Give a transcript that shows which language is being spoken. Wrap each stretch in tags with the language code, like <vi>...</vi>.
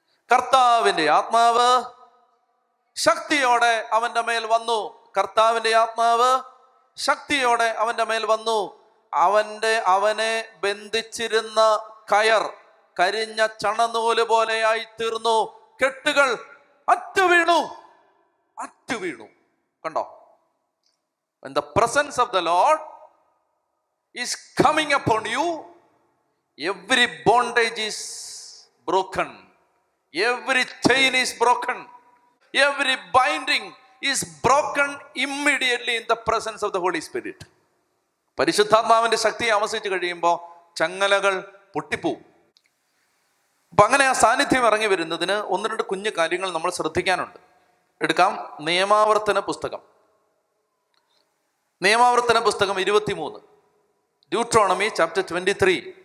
<ml>കർത്താവിൻ്റെ ആത്മാവ് ശക്തിയോടെ അവൻ്റെ മേൽ വന്നു. കർത്താവിൻ്റെ ആത്മാവ് ശക്തിയോടെ അവൻ്റെ മേൽ വന്നു. അവനെ ബന്ധിച്ചിരുന്ന കയർ കരിഞ്ഞ ചണനൂല് പോലെയായി തീർന്നു. കെട്ടുകൾ അറ്റുവീണു, അറ്റുവീണു. കണ്ടോ,</ml> <en>when the presence of the Lord is coming upon you, every bondage is broken, every chain is broken, every binding is broken immediately in the presence of the Holy Spirit.</en> <ml>പരിശുദ്ധാത്മാവിന്റെ ശക്തി ആമസിച്ചു കഴിയുമ്പോൾ ചങ്ങലകൾ പൊട്ടിപ്പോവും. അപ്പൊ അങ്ങനെ ആ സാന്നിധ്യം ഇറങ്ങി വരുന്നതിന് ഒന്ന് രണ്ട് കുഞ്ഞു കാര്യങ്ങൾ നമ്മൾ ശ്രദ്ധിക്കാനുണ്ട്. എടുക്കാം നിയമാവർത്തന പുസ്തകം. നിയമാവർത്തന പുസ്തകം 23, ഡ്യൂട്രോണമി ചാപ്റ്റർ 23.</ml>